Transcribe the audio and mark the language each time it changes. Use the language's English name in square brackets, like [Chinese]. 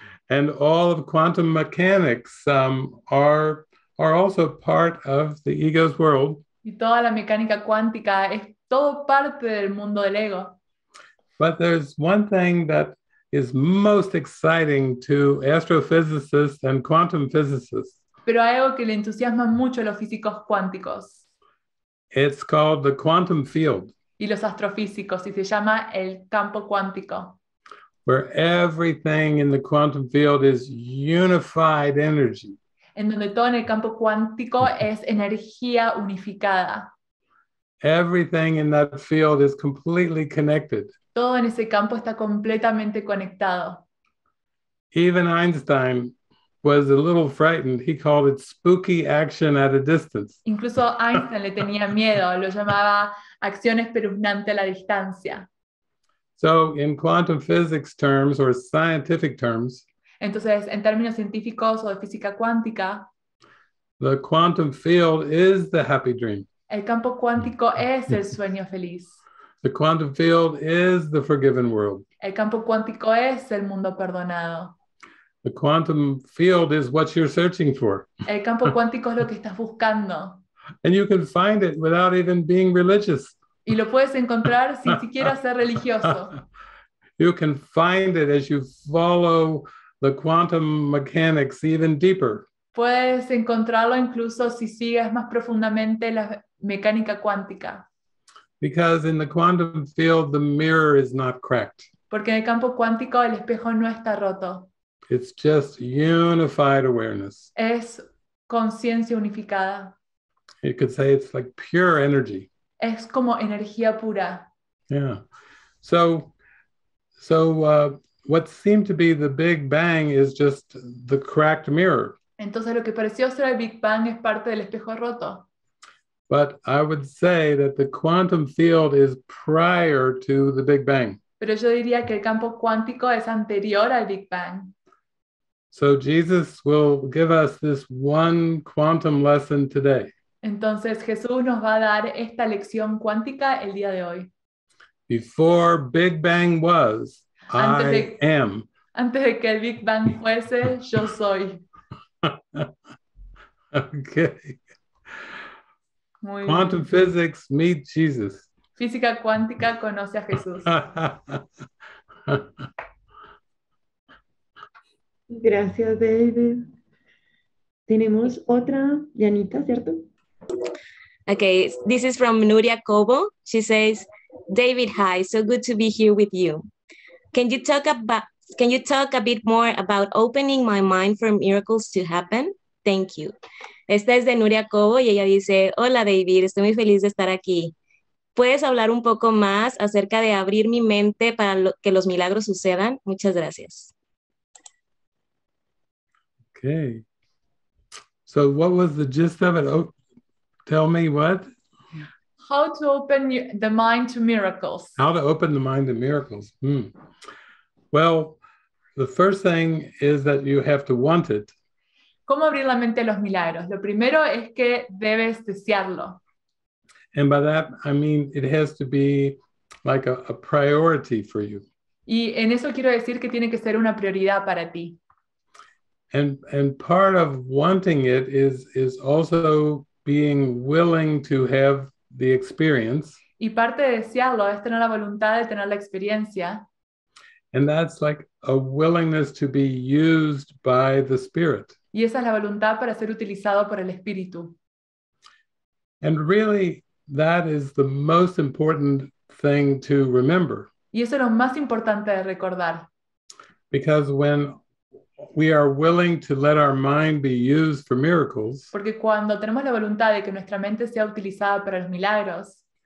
[English] And all of quantum mechanics are also part of the ego's world. [Spanish] Y toda la mecánica cuántica es todo parte del mundo del ego. [English] But there's one thing that is most exciting to astrophysicists and quantum physicists. [Spanish] Pero hay algo que le entusiasma mucho a los físicos cuánticos. [English] It's called the quantum field. [Spanish] Y los astrofísicos, y se llama el campo cuántico. [English] Where everything in the quantum field is unified energy. [Spanish] En donde todo en el campo cuántico es energía unificada. [English] Everything in that field is completely connected. [Spanish] Todo en ese campo está completamente conectado. [English] Even Einstein was a little frightened. He called it spooky action at a distance. [Spanish] Incluso Einstein le tenía miedo. Lo llamaba acción espeluznante a la distancia. [English] So in quantum physics terms or scientific terms, [Spanish] entonces, en términos científicos o de física cuántica, [English] the quantum field is the happy dream. [Spanish] El campo cuántico es el sueño feliz. [English] The quantum field is the forgiven world. [Spanish] El campo cuántico es el mundo perdonado. [English] The quantum field is what you're searching for. [Spanish] El campo cuántico es lo que estás buscando. [English] And you can find it without even being religious. [Spanish] Y lo puedes encontrar sin siquiera ser religioso. [English] You can find it as you follow the quantum mechanics even deeper. [Spanish] Puedes encontrarlo incluso si sigues más profundamente la mecánica cuántica. [English] Because in the quantum field, the mirror is not cracked. [Spanish] Porque en el campo cuántico el espejo no está roto. [English] It's just unified awareness. [Spanish] Es conciencia unificada. [English] You could say it's like pure energy. [Spanish] Es como energía pura. [English] Yeah. So what seemed to be the Big Bang is just the cracked mirror. [Spanish] Entonces lo que pareció ser el Big Bang es parte del espejo roto. [English] But I would say that the quantum field is prior to the Big Bang. [Spanish] Pero yo diría que el campo cuántico es anterior al Big Bang. [English] So Jesus will give us this one quantum lesson today. [Spanish] Entonces Jesús nos va a dar esta lección cuántica el día de hoy. [English] Before Big Bang was, I am. [Spanish] Antes de que el Big Bang fuese, yo soy. [English] Okay. [Spanish] Muy [English] Quantum [Spanish] bien. [English] Physics meet Jesus. [Spanish] Física cuántica conoce a Jesús. Gracias, David. Tenemos otra, Yanita, ¿cierto? [English] Okay, this is from Nuria Cobo. She says, David, hi, so good to be here with you. Can you talk a bit more about opening my mind for miracles to happen? Thank you. [Spanish] Esta es de Nuria Cobo y ella dice, hola David, estoy muy feliz de estar aquí. ¿Puedes hablar un poco más acerca de abrir mi mente para que los milagros sucedan? Muchas gracias. [English] Okay. So what was the gist of it? Tell me what? How to open the mind to miracles. How to open the mind to miracles. Well, the first thing is that you have to want it. [Spanish] ¿Cómo abrir la mente a los milagros? Lo primero es que debes desearlo. [English] And by that, I mean it has to be like a priority for you. [Spanish] Y en eso quiero decir que tiene que ser una prioridad para ti. [English] And part of wanting it is also being willing to have the experience. [Spanish] Y parte de desearlo es tener la voluntad de tener la experiencia. [English] And that's like a willingness to be used by the Spirit. [Spanish] Y esa es la voluntad para ser utilizado por el Espíritu. [English] And really, that is the most important thing to remember. [Spanish] Y eso es lo más importante de recordar. [English] Because when we are willing to let our mind be used for miracles, [Spanish] porque cuando tenemos la voluntad de que nuestra mente sea utilizada para los milagros,